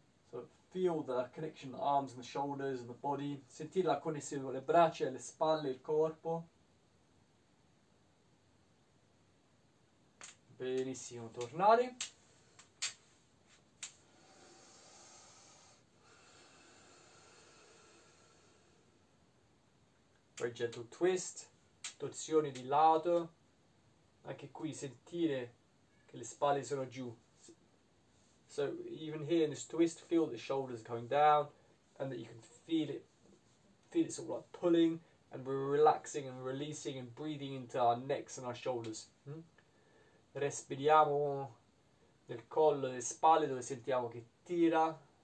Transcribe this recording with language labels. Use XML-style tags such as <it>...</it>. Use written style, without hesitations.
<en>So feel the connection, the arms and the shoulders and the body.</en> <it>Sentire la connessione con le braccia, le spalle, il corpo. Benissimo, tornare.</it> <en>Very gentle twist,</en> <it>torsione di lato. Anche qui sentire che le spalle sono giù.</it> <en>So even here in this twist, feel the shoulders going down and that you can feel it sort of like pulling and we're relaxing and releasing and breathing into our necks and our shoulders.</en> <it>Respiriamo nel collo, delle spalle dove sentiamo che tira.</it>